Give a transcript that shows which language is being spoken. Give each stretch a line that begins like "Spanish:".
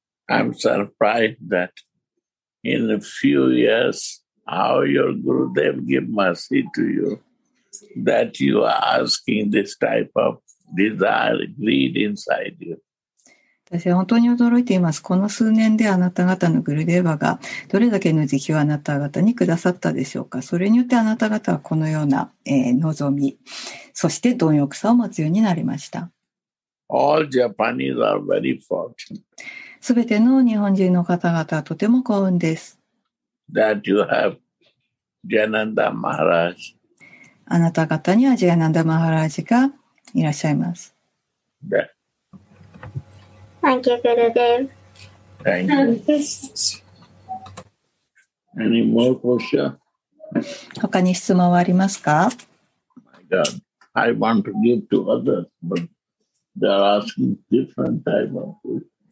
English: I'm surprised that in a few years, how your Gurudev give mercy to you, that you are asking this type of desire, greed inside you.
Japanese: 私は本当に驚いています。この数年であなた方のグルデーバがどれだけの慈悲をあなた方にくださったでしょうか。それによってあなた方はこのような、望み、そして貪欲さを持つようになりました。
English: All Japanese are very fortunate.
Japanese: すべての日本人の方々はとても幸運です。
English: That you have Jananda Maharaj.
Japanese: あなた方にはジャナンダ・マハラージがいらっしゃいます。
English: Yeah. Thank you, Gurudev. Thank you. Any more questions?
Japanese: 他に質問はありますか?
English: My God, I want to give to others, but they are asking different type of questions.